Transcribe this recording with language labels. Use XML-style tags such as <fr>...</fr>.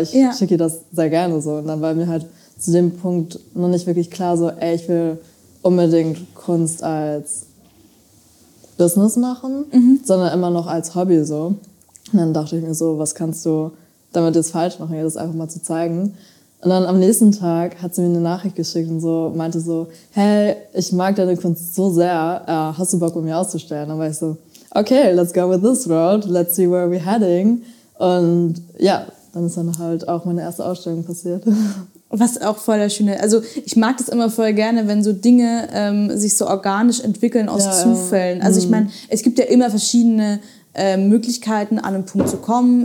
<de>Ich schicke ihr das sehr gerne so. Und dann war mir halt zu dem Punkt noch nicht wirklich klar so, ey, ich will unbedingt Kunst als Business machen, sondern immer noch als Hobby so. Und dann dachte ich mir so, was kannst du damit jetzt falsch machen, ihr das einfach mal zu zeigen. Und dann am nächsten Tag hat sie mir eine Nachricht geschickt und so meinte so, hey, ich mag deine Kunst so sehr, hast du Bock, um mir auszustellen? Dann war ich so,</de> <en>okay, let's go with this road, let's see where we're heading.</en> <de>Und ja, dann ist dann halt auch meine erste Ausstellung passiert. Was auch voll der Schöne. Also ich mag das immer voll gerne, wenn so Dinge sich so organisch entwickeln aus Zufällen. Also ich meine, es gibt ja immer verschiedene Möglichkeiten, an einen Punkt zu kommen.</de>